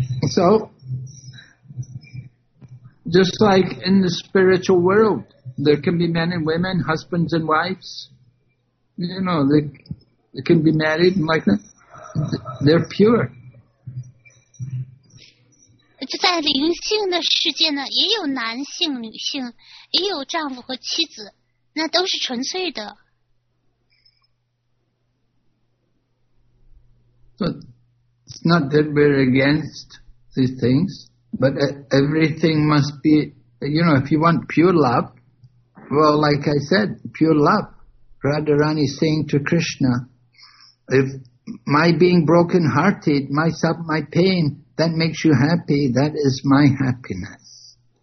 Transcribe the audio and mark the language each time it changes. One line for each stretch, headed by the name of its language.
English: So, just like in the spiritual world, there can be men and women, husbands and wives. You know, they can be married and like that. They're pure.
Chinese: 就在灵性的世界呢，也有男性、女性，也有丈夫和妻子，那都是纯粹的。
English: So it's not that we're against these things, but everything must be, you know, if you want pure love, well, like I said, pure love. Radharani saying to Krishna, if my being broken-hearted, my suffering, my pain, that makes you happy, that is my happiness.